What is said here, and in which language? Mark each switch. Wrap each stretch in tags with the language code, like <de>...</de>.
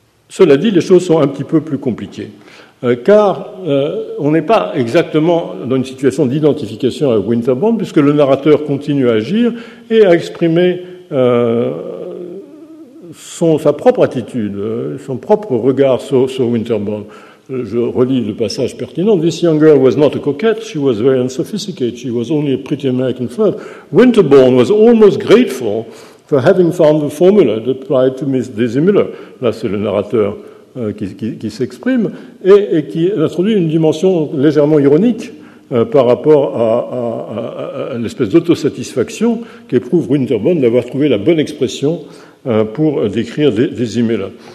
<fr>Cela dit, les choses sont un petit peu plus compliquées, car on n'est pas exactement dans une situation d'identification avec Winterbourne, puisque le narrateur continue à agir et à exprimer sa propre attitude, son propre regard sur Winterbourne. Je relis le passage pertinent.</fr> <en>« This young girl was not a coquette. She was very unsophisticated. She was only a pretty American flirt. Winterbourne was almost grateful for having found the formula that applied to Miss Daisy Miller.</en> <fr>» Là, c'est le narrateur qui s'exprime et qui introduit une dimension légèrement ironique par rapport à une espèce d'autosatisfaction qu'éprouve Winterbourne d'avoir trouvé la bonne expression pour décrire Daisy Miller.</fr>